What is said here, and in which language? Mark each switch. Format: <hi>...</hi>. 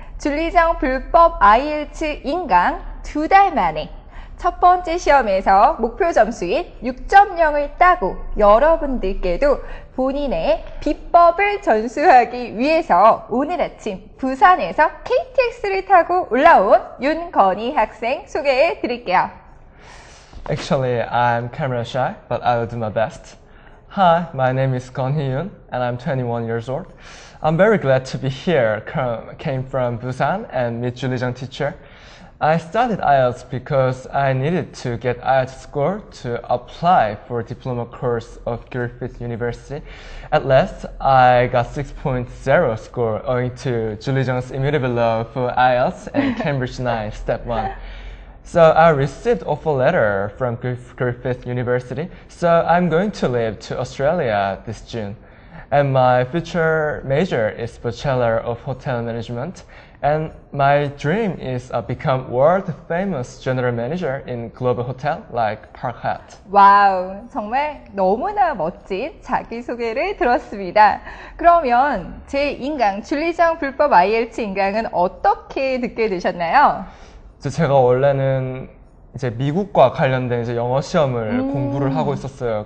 <ko>줄리 정 불법 IELTS 인강 두 달 만에 첫 번째 시험에서 목표 점수인 6.0을 따고 여러분들께도 본인의 비법을 전수하기 위해서 오늘 아침 부산에서 KTX를 타고 올라온 윤건희 학생 소개해 드릴게요.</ko> <en>Actually, I'm camera shy, but I will do my best. Hi, my name is Gonhee Yoon, and I'm 21 years old. I'm very glad to be here, came from Busan and meet Julie Jung teacher. I studied IELTS because I needed to get IELTS score to apply for a diploma course of Griffith University. At last, I got 6.0 score owing to Julie Jung's immutable love for IELTS and Cambridge 9 Step 1. So I received offer letter from Griffith University, so I'm going to leave to Australia this June. And my future major is Bachelor of Hotel Management, and my dream is to become world famous general manager in global hotel like Park Hyatt.</en> <ko>와우, 정말 너무나 멋진 자기소개를 들었습니다. 그러면 제 인강, 줄리정 불법 IELTS 인강은 어떻게 듣게 되셨나요? 제가 원래는 이제 미국과 관련된 이제 영어 시험을 공부를 하고 있었어요.</ko>